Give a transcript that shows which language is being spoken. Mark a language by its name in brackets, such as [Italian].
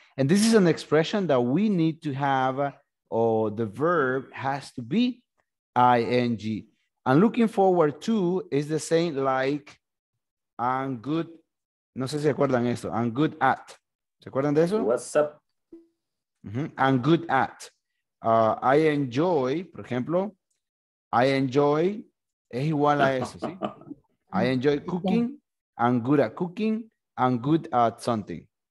[English] And this is an expression that we need to have, or the verb has to be ing. And looking forward to is the same like, I'm good, [Spanish] no sé si acuerdan esto, [English] I'm good at, [Spanish] ¿Se acuerdan de eso? [English] What's up? Mm-hmm. I'm good at. I enjoy, [Spanish] por ejemplo, I enjoy, es igual a eso, ¿sí? [English] I enjoy cooking, I'm good at cooking, I'm good at something.